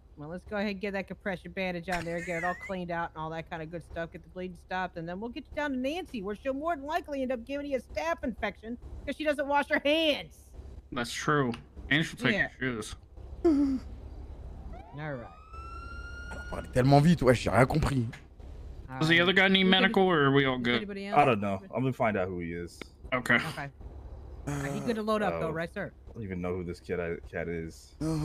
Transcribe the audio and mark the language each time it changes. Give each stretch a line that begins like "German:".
English: Well, let's go ahead and get that compression bandage on there, get it all cleaned out and all that kind of good stuff, get the bleeding stopped, and then we'll get you down to Nancy, where she'll more than likely end up giving you a staph infection because she doesn't wash her hands. That's true. And she'll take your shoes. All right.
French: Parlez tellement vite, ouais, j'ai rien compris.
English: Does the other guy need medical, or are we all good? I don't know. I'm gonna find out who he is. Okay. Okay. He's gonna load up, though, right, sir? I don't even know who this cat is.